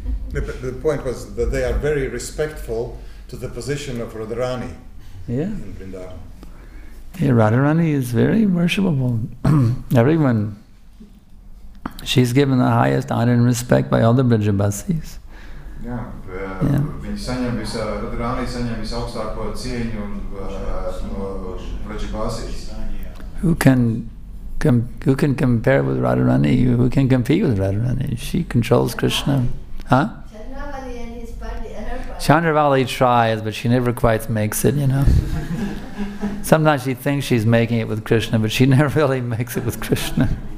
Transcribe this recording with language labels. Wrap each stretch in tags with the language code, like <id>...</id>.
<en>the point was that they are very respectful to the position of Radharani. Yeah. In Vrindavan. Yeah, Radharani is very worshipable. Everyone. She's given the highest honor and respect by all the Brajabasis. Yeah.</en> <lv>Radharani saņem visaugstāko cieņu no Brajabasis.</lv> <en>Who can compare with Radharani? Who can compete with Radharani? She controls Krishna. Huh? Chandravali and his party. Chandravali tries, but she never quite makes it, you know. Sometimes she thinks she's making it with Krishna, but she never really makes it with Krishna.</en>